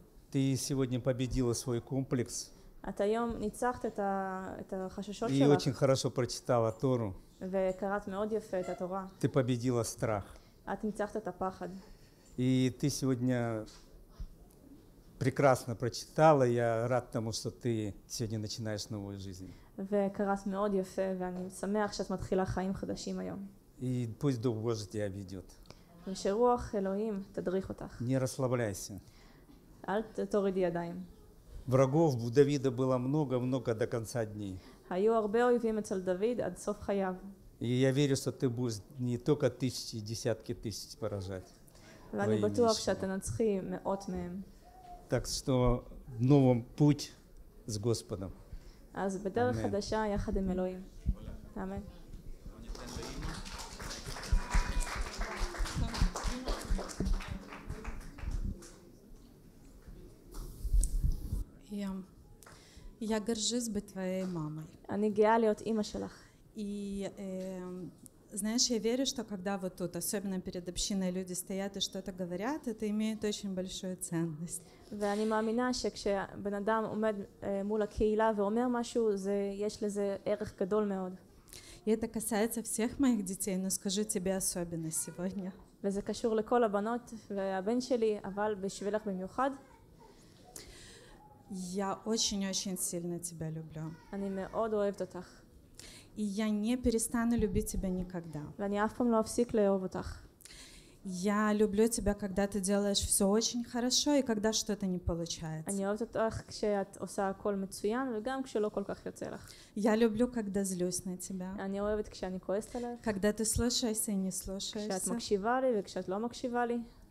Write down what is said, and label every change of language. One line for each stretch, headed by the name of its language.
Russian: Ты сегодня победила свой комплекс. И очень хорошо прочитала Тору.
Hebrew: וקראת מאוד יפה את התורה.
Russian: Ты победила страх.
Hebrew: את ניצחת את הפחד.
Russian: И ты сегодня прекрасно прочитала. Я рад тому, что ты сегодня начинаешь новую жизнь.
Hebrew: וקראת מאוד יפה, ואני שמח שאת מתחילה חיים חדשים היום.
Russian: И пусть Дух Божий тебя ведет.
Hebrew: ושרוח אלוהים תדריך אותך.
Russian: Не расслабляйся.
Hebrew: אל תורידי ידיים.
Russian: Врагов у Давида было много-много до конца дней.
Hebrew: היו הרבה אויבים אצל דוד עד סוף חייו.
Russian: И я верю, что ты будешь не только тысячи, десятки тысяч поражать.
Hebrew: ואני בטוח שתנצחי מאות מהם.
Russian: Так что в новом путь с Господом.
Hebrew: אז בדרך חדשה יחד עם אלוהים. אמן.
Russian: Я горжусь быть твоей мамой. Они гиали от имя шелах. И знаешь, я верю, что когда вот тут, особенно перед общиной, люди стоят и что-то говорят, это имеет очень большую ценность.
Hebrew: ואני מאמינה שכשבן אדם עומד מול הקהילה ואומר משהו, זה יש לזה ערך גדול מאוד.
Russian: И это касается всех моих детей, но скажу тебе особенно сегодня.
Hebrew: וזה קשור לכל הבנות והבן שלי, אבל בשבילך במיוחד.
Russian: Я очень-очень сильно тебя люблю.
Hebrew: אני מאוד אוהב אותך.
Russian: И я не перестану любить тебя никогда.
Hebrew: ואני אף פעם לא אפסיק לאהוב אותך.
Russian: Я люблю тебя, когда ты делаешь все очень хорошо, и когда что-то не получается. Я люблю, когда злюсь на тебя. Когда ты слушаешься и не слушаешься.